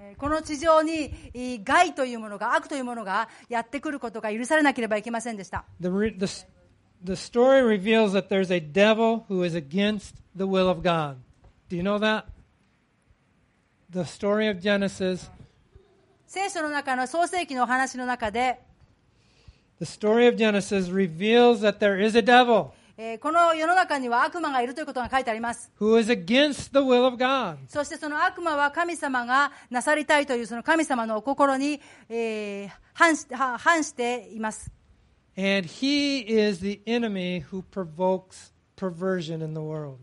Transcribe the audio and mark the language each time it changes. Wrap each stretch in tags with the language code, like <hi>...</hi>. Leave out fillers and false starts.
<ja>この地上に害というものが悪というものがやってくることが許されなければいけませんでした。</ja> <en>The story reveals that there's a devil who is against the will of God. Do you know that? The story of Genesis.</en> <ja>聖書の中の創世記のお話の中で、</ja> <en>The story of Genesis reveals that there is a devil.</en> <ja>この世の中には悪魔がいるということが書いてあります。</ja> <en>Who is against the will of God?</en> <ja>そしてその悪魔は神様がなさりたいというその神様のお心に、反しています。</ja> <en>And he is the enemy who provokes perversion in the world.</en>